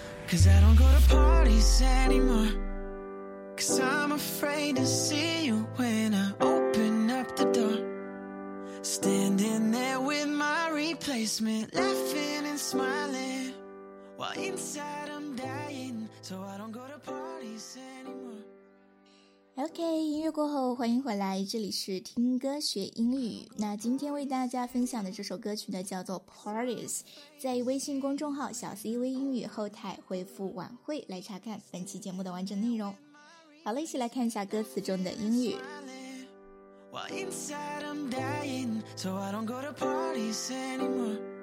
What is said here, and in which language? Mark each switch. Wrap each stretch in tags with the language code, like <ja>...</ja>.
<en>allCause I don't go to parties anymore, cause I'm afraid to see you when I open up the door, standing there with my replacement, laughing and smiling while inside I'm dying, so I don't go to parties anymore.</en> <zh>OK, 音乐过后欢迎回来，这里是听歌学英语。那今天为大家分享的这首歌曲呢叫做 Parties，在微信公众号小 C 微英语后台回复晚会来查看本期节目的完整内容。好了，一起来看一下歌词中的英语。</zh> <en>While inside I'm dying, so I don't go to parties anymore.</en>